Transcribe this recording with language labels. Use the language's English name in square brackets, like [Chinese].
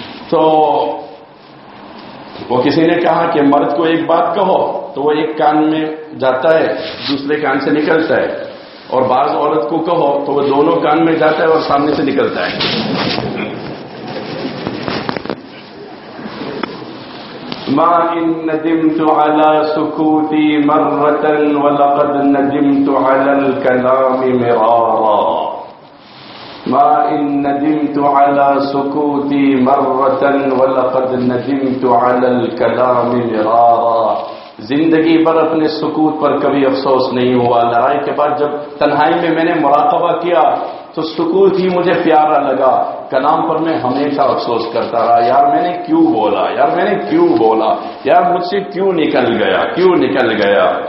[Urdu] تو وہ کسی نے کہا کہ مرد کو ایک بات کہو تو وہ ایک کان میں جاتا ہے دوسرے کان سے نکلتا ہے, اور بعض عورت کو کہو تو وہ دونوں کان میں جاتا ہے اور سامنے سے نکلتا ہے. [Arabic] ما إن ندمت على سكوتي مرة ولقد ندمت على الكلام مرارا, ما ما إن ندمت على سكوتي مرة ولقد ندمت على الكلام مرارا. [Urdu] زندگی بھر اپنے سکوت پر کبھی افسوس نہیں ہوا. لڑائی کے بعد جب تنہائی میں میں نے مراقبہ کیا تو سکوت ہی مجھے پیارا لگا. کلام پر میں ہمیشہ افسوس کرتا رہا, یار میں نے کیوں بولا, یار میں نے کیوں بولا, یار مجھ سے کیوں نکل گیا, کیوں نکل گیا.